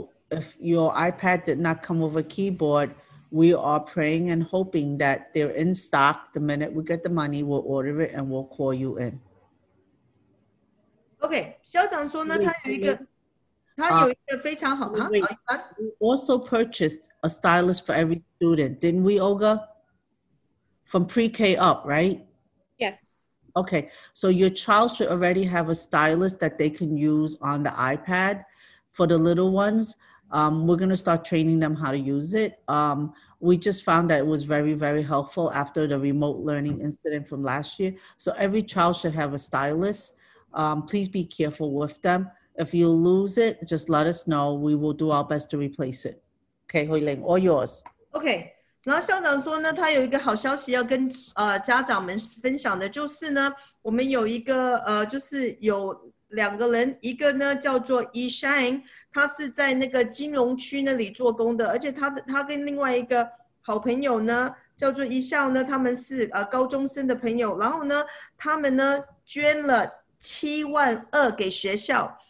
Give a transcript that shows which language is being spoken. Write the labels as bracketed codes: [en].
[en] If your iPad did not come with a keyboard, we are praying and hoping that they're in stock. The minute we get the money, we'll order it and we'll call you in. [zh] Okay, 校长说呢，他有一个非常好的。 [en] We also purchased a stylus for every student, didn't we, Olga? From pre-K up, right? Yes. Okay, so your child should already have a stylus that they can use on the iPad for the little ones. We're going to start training them how to use it. We just found that it was very, very helpful after the remote learning incident from last year. So every child should have a stylus. Please be careful with them. If you lose it, just let us know. We will do our best to replace it. Okay, Huiling, all yours. Okay. [zh] 然后校长说呢，他有一个好消息要跟家长们分享的，就是呢，我们有一个就是有两个人，一个呢叫做 Yishan， 他是在那个金融区那里做工的，而且他跟另外一个好朋友呢叫做 Yishan 呢，他们是高中生的朋友，然后呢，他们呢捐了72,000给学校，